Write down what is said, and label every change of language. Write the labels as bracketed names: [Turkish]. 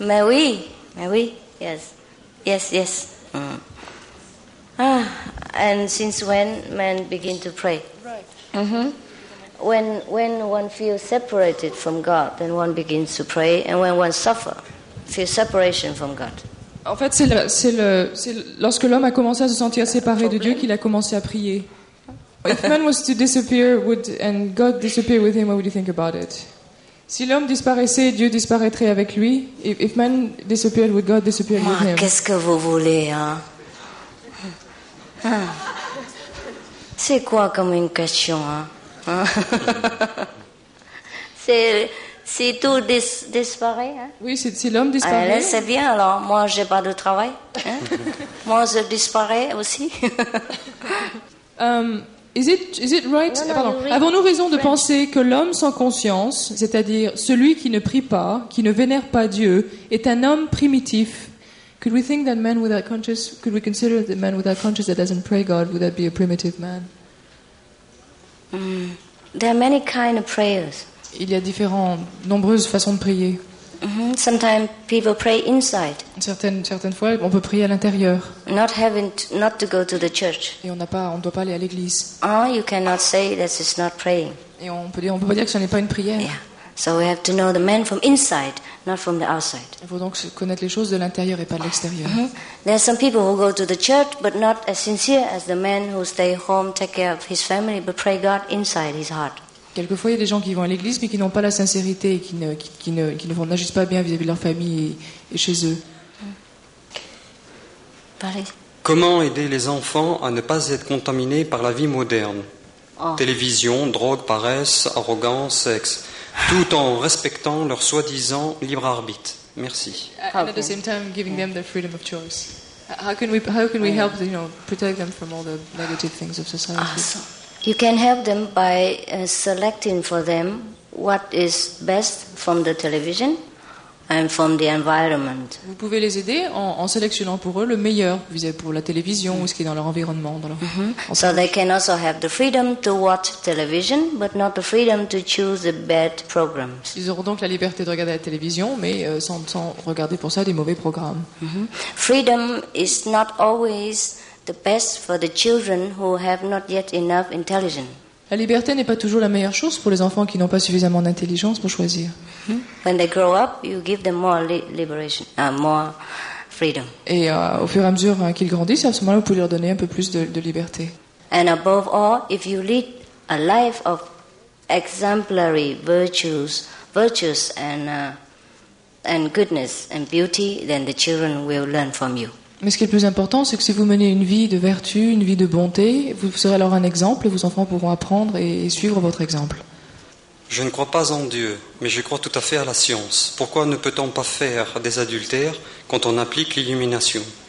[French] Mais oui. Yes. Mm. [English] Ah, and since when men begin to pray? Right. Mm-hmm. When one feels separated from God, then one begins to pray, and when one suffers, feels separation from God. [French] En fait, c'est lorsque l'homme a commencé à se sentir séparé de Dieu qu'il a commencé à prier. [English] If man was to disappear, and God disappeared with him, what would you think about it? [French] Si l'homme disparaissait, Dieu disparaîtrait avec lui. [English] If man disappeared, would God disappear with him? [French] Qu'est-ce que vous voulez, hein? C'est quoi comme une question, hein? Si tout disparaît, hein? Oui, si l'homme disparaît. Allez, c'est bien, alors. Moi, je n'ai pas de travail. Hein? Moi, je disparais aussi. [English] Is it right? No, pardon. Really? [French] Avons-nous raison de penser que l'homme sans conscience, c'est-à-dire celui qui ne prie pas, qui ne vénère pas Dieu, est un homme primitif? [English] Could we think that man without conscience, could we consider that man without conscience that doesn't pray God, would that be a primitive man? There are many kind of prayers. [French] Il y a différentes, nombreuses façons de prier. [English] Mm-hmm. Sometimes people pray inside. [French] Certaines fois, on peut prier à l'intérieur. [English] Not to go to the church. [French] Et on ne doit pas aller à l'église. [English] You cannot say that it's not praying. [French] Et on peut pas dire que ce n'est pas une prière. [English] Yeah. So we have to know the man from inside, not from the outside. [French] Il faut donc connaître les choses de l'intérieur et pas de l'extérieur. Mm-hmm. [English] There are some people who go to the church, but not as sincere as the man who stay home, take care of his family, but pray God inside his heart. [French] Quelquefois, il y a des gens qui vont à l'église mais qui n'ont pas la sincérité et qui n'agissent pas bien vis-à-vis de leur famille et chez eux. Paris. Comment aider les enfants à ne pas être contaminés par la vie moderne? Télévision, drogue, paresse, arrogance, sexe, tout en respectant leur soi-disant libre arbitre. Merci. [English] And at the same time, giving them the freedom of choice. How can we help them, protect them from all the negative things of society? You can help them by selecting for them what is best from the television and from the environment. [French] Vous pouvez les aider en sélectionnant pour eux le meilleur vis-à-vis pour la télévision ou ce qui est dans leur environnement, dans leur. Mm-hmm. [English] So they can also have the freedom to watch television, but not the freedom to choose the bad programs. [French] Ils auront donc la liberté de regarder la télévision, mais sans regarder pour ça des mauvais programmes. Mm-hmm. [English] Freedom is not always the best for the children who have not yet enough intelligence. [French] La liberté n'est pas toujours la meilleure chose pour les enfants qui n'ont pas suffisamment d'intelligence pour choisir. Mm-hmm. [English] When they grow up, you give them more liberation, more freedom. [French] Et au fur et à mesure qu'ils grandissent, à ce moment-là, vous pouvez leur donner un peu plus de liberté. [English] And above all, if you lead a life of exemplary virtues and goodness and beauty, then the children will learn from you. [French] Mais ce qui est le plus important, c'est que si vous menez une vie de vertu, une vie de bonté, vous serez alors un exemple et vos enfants pourront apprendre et suivre votre exemple. Je ne crois pas en Dieu, mais je crois tout à fait à la science. Pourquoi ne peut-on pas faire des adultères quand on applique l'illumination?